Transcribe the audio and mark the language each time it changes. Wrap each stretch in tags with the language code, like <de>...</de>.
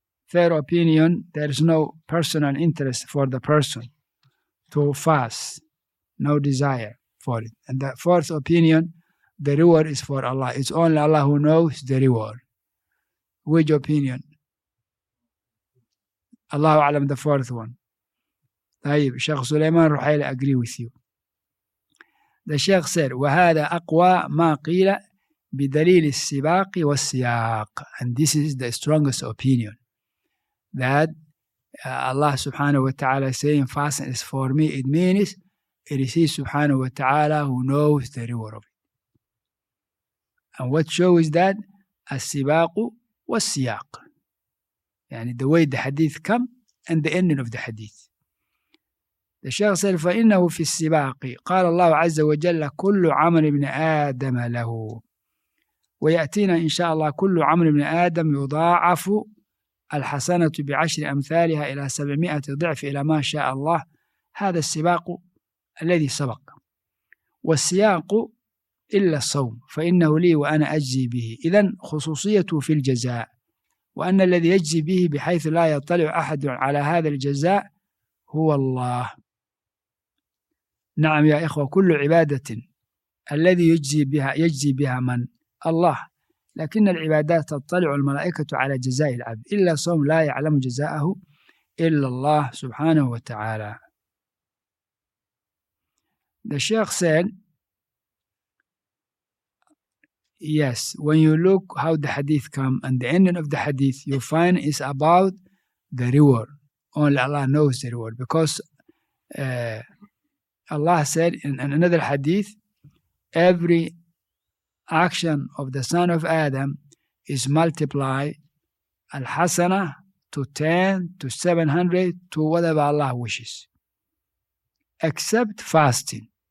<en>Third opinion, there is no personal interest for the person to fast. no desire for it. And that fourth opinion, the reward is for Allah. It's only Allah who knows the reward. Which opinion? Allahu alam, the fourth one.</en> <ar>طيب شيخ سليمان رحيل</ar> <en>agree with you. The Sheikh said,</en> <ar>وَهَذَا أَقْوَى مَا قِيلَ بِدَلِيلِ السِّبَاقِ وَالسِّيَاقِ.</ar> <en>And this is the strongest opinion. That Allah subhanahu wa ta'ala saying, fasten is for me, it means it is He subhanahu wa ta'ala who knows the reward of it. And what show is that?</en> <ar>السِّبَاقُ وَالسِّيَاقِ.</ar> <en>Yani the way the hadith come and the ending of the hadith. The Shaykh said,</en> <ar>فإنه في السباق قال الله عز وجل كل عمل ابن آدم له ويأتينا إن شاء الله كل عمل ابن آدم يضاعف الحسنة بعشر أمثالها إلى 700 ضعف إلى ما شاء الله. هذا السباق الذي سبق. والسياق إلا الصوم فإنه لي وأنا أجزي به. إذن خصوصيته في الجزاء وأن الذي يجزي به بحيث لا يطلع أحد على هذا الجزاء هو الله. نعم يا إخوة كل عبادة الذي يجزي بها من؟ الله. لكن العبادات تطلع الملائكة على جزاء العبد إلا صوم لا يعلم جزاءه إلا الله سبحانه وتعالى.</ar> <en>The Sheikh said, yes, when you look how the hadith come and the ending of the hadith, you find it's about the reward. Only Allah knows the reward because Allah said in another hadith, every action of the son of Adam is multiplied al-hasana to 10, to 700, to whatever Allah wishes, except fasting.</en>